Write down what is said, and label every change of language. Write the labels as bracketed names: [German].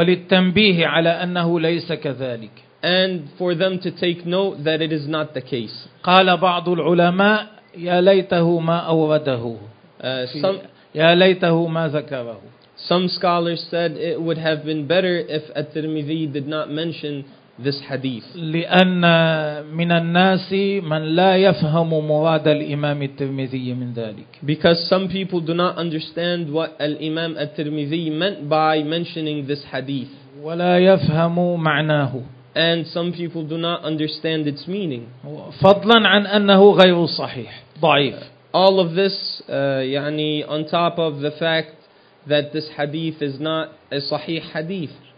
[Arabic] وللتنبيه على أنه ليس كذلك. [English] And for them to take note that it is not the case. [Arabic] قال بعض العلماء يا ليته ما أورده. يا ليته ما ذكره. [English] Some scholars said it would have been better if At-Tirmidhi did not mention this hadith. [Arabic] لأن من الناس من لا يفهم مراد الإمام الترمذي من ذلك. [English] Because some people do not understand what Al-Imam At-Tirmidhi meant by mentioning this hadith. [Arabic] ولا يفهم معناه. [English] And some people do not understand its meaning. [Arabic] فضلا عن أنه غير صحيح. ضعيف. [English] All of this, يعني on top of the fact that this hadith is not a sahih hadith.